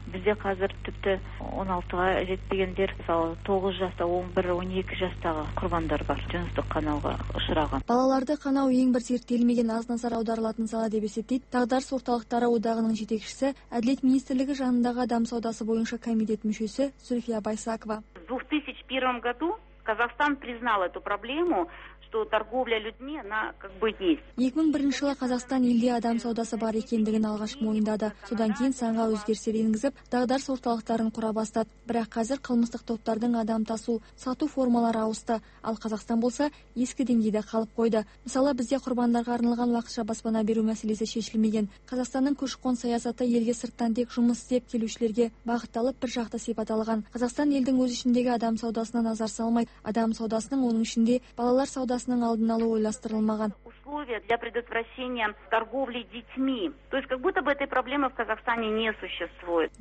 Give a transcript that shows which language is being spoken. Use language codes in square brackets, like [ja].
[kk] Бізде қазір тіпті 16-ға жетпегендер, мысалы 9 жаста, 11-12 жастағы құрбандар бар, жыныстық қанауға ұшыраған. Балаларды қанау ең бір зерттелмеген аз назар аударылатын сала деп есептейді Тағдарыс орталықтары одағының жетекшісі, Әділет министрлігі жанындағы адам саудасы бойынша комитет мүшесі Зульфия Байсакова. [ru] 2001 году Казахстан признал эту проблему. То торговля людьми, она как бы есть. [kk] 2001 жылы Қазақстан елде адам саудасы бар екендігін алғаш мойындады. Содан кейін санға өзгерістер енгізіп, дағдарыс орталықтарын құра бастады. Бірақ қазір қылмыстық топтардың адам тасу, сату формалары ауысты. Ал Қазақстан болса, ескі деңгейде қалып қойды. Мысалы, бізде құрбандарға арналған уақытша баспана беру мәселесі шешілмеген. Қазақстанның көші-қон саясаты елге сырттан тек жұмыс істеп келушілерге бағытталып бір жақты сипат алған. Қазақстан елдің өз ішіндегі адам саудасына назар салмай, адам саудасының оның ішінде балалар саудасы Қазақстанның алдын алу ойластырылмаған. [ru] Для предотвращения торговли детьми. То есть как будто бы этой проблемы в Казахстане не существует.